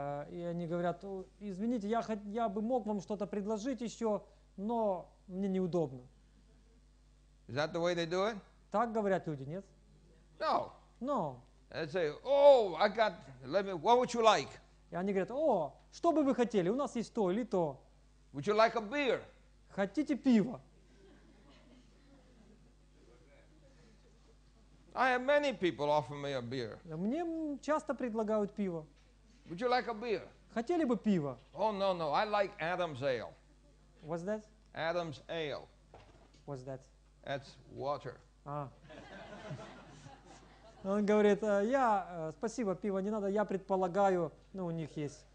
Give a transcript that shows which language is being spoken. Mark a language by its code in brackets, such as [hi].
[ru] И они говорят, извините, я бы мог вам что-то предложить еще, но мне неудобно. [en] Is that the way they do it? [ru] Так говорят люди, нет? [en] No. No. And say, oh, I got, let me, what would you like? [ru] И они говорят, о, что бы вы хотели? У нас есть то или то. [en] Would you like a beer? [ru] Хотите пиво? [en] I have many people offer me a beer. [ru] Мне часто предлагают пиво. [en] Would you like a beer? [ru] Хотели бы пиво? [en] Oh, no, no, I like Adam's ale. What's that? Adam's ale. What's that? That's water. [ru] Он говорит, я, спасибо, пиво не надо, я предполагаю, ну, у них есть